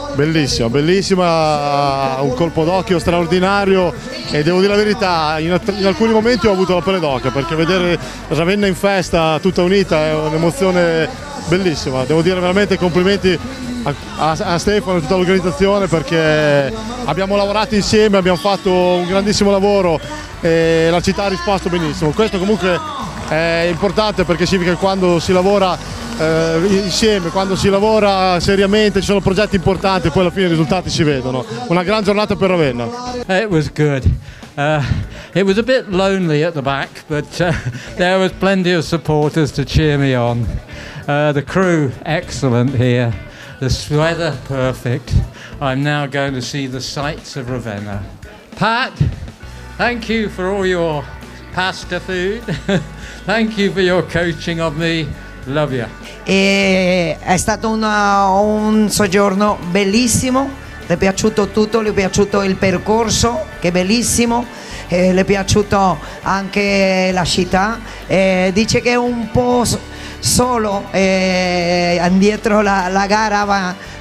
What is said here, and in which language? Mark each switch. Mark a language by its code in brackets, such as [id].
[it] Bellissima, bellissima, un colpo d'occhio straordinario e devo dire la verità, in alcuni momenti ho avuto la pelle d'occhio perché vedere Ravenna in festa tutta unita è un'emozione bellissima, devo dire veramente complimenti a Stefano e a tutta l'organizzazione perché abbiamo lavorato insieme, abbiamo fatto un grandissimo lavoro. E la città ha risposto benissimo, questo comunque è importante perché significa che quando si lavora insieme, quando si lavora seriamente, ci sono progetti importanti e poi alla fine i risultati si vedono. Una gran giornata per Ravenna. [en] It was good. It was a bit lonely at the back, but there was plenty of supporters to cheer me on. The crew excellent here, the weather perfect. I'm now going to see the sights of Ravenna. Pat, thank you for all your pasta food, thank you for your coaching of me, love you. [it] E è stato un soggiorno bellissimo, le è piaciuto tutto, le è piaciuto il percorso, che è bellissimo, e le è piaciuto anche la città, e dice che è un po' solo, e indietro la gara va.